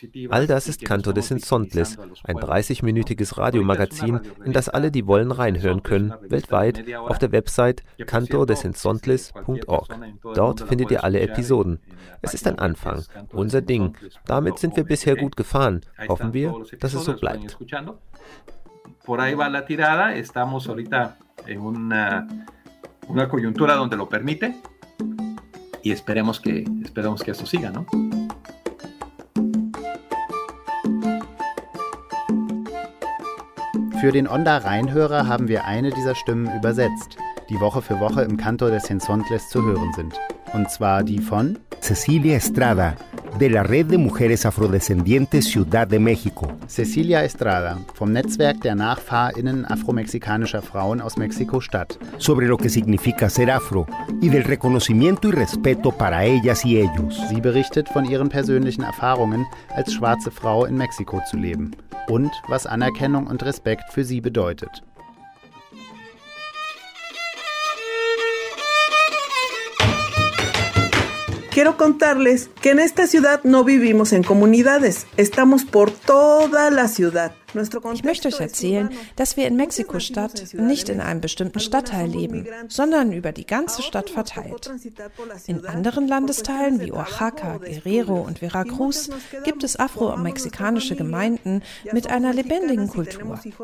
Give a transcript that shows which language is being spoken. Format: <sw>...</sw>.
<de>All das ist Canto des Insontles, ein 30-minütiges Radiomagazin, in das alle, die wollen, reinhören können, weltweit, auf der Website cantodesinsontles.org. Dort findet ihr alle Episoden. Es ist ein Anfang, unser Ding. Damit sind wir bisher gut gefahren. Hoffen wir, dass es so bleibt.</de> <es>Por ahí va la tirada. Estamos ahorita en una coyuntura donde lo permite. Y esperemos que eso siga, ¿no?</es> <de>Für den Onda-Reinhörer haben wir eine dieser Stimmen übersetzt, die Woche für Woche im Canto des Insontles zu hören sind. Und zwar die von</de> <es>Cecilia Estrada, de la Red de Mujeres Afrodescendientes Ciudad de México.</es> <de>Cecilia Estrada, vom Netzwerk der NachfahrInnen afromexikanischer Frauen aus Mexiko-Stadt.</de> <es>Sobre lo que significa ser afro y del reconocimiento y respeto para ellas y ellos.</es> <de>Sie berichtet von ihren persönlichen Erfahrungen, als schwarze Frau in Mexiko zu leben. Und was Anerkennung und Respekt für sie bedeutet.</de> <es>Quiero contarles que en esta ciudad no vivimos en comunidades. Estamos por toda la ciudad.</es> <de>Ich möchte euch erzählen, dass wir in Mexiko-Stadt nicht in einem bestimmten Stadtteil leben, sondern über die ganze Stadt verteilt. In anderen Landesteilen wie Oaxaca, Guerrero und Veracruz gibt es afro-mexikanische Gemeinden mit einer lebendigen Kultur.</de>